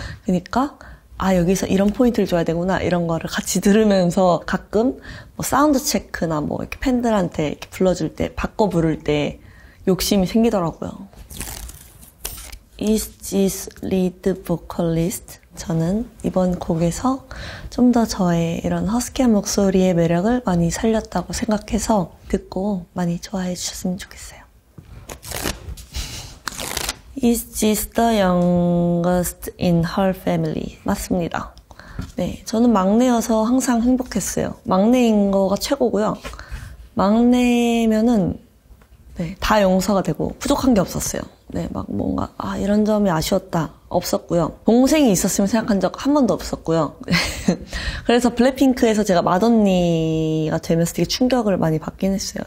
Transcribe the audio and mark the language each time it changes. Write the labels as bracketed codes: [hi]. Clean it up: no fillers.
[ko] 그러니까 아, 여기서 이런 포인트를 줘야 되구나 이런 거를 같이 들으면서 가끔 뭐 사운드 체크나 뭐 이렇게 팬들한테 이렇게 불러줄 때, 바꿔 부를 때 욕심이 생기더라고요. [en] Is this lead vocalist? [ko] 저는 이번 곡에서 좀더 저의 이런 허스키한 목소리의 매력을 많이 살렸다고 생각해서 듣고 많이 좋아해 주셨으면 좋겠어요. [en] Is this the youngest in her family? [ko] 맞습니다. 네, 저는 막내여서 항상 행복했어요. 막내인 거가 최고고요. 막내면은 네, 다 용서가 되고 부족한 게 없었어요. 네, 막 뭔가 아 이런 점이 아쉬웠다 없었고요. 동생이 있었으면 생각한 적한 번도 없었고요. 그래서 블랙핑크에서 제가 맏언니가 되면서 되게 충격을 많이 받긴 했어요.